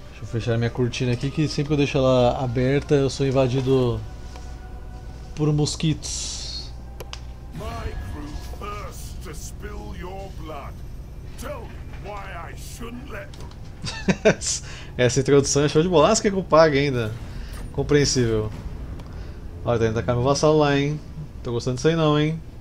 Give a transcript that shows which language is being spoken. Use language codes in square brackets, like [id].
[pt] Fechar minha cortina aqui, que sempre que eu deixo ela aberta eu sou invadido por mosquitos. [en] My crew thirst to spill your blood. Tell me why I shouldn't let them. [pt] Essa introdução é show de bolas, que é compaga ainda. Compreensível. Olha, tá indo atacar meu vassalo lá, hein? Tô gostando disso aí não, hein?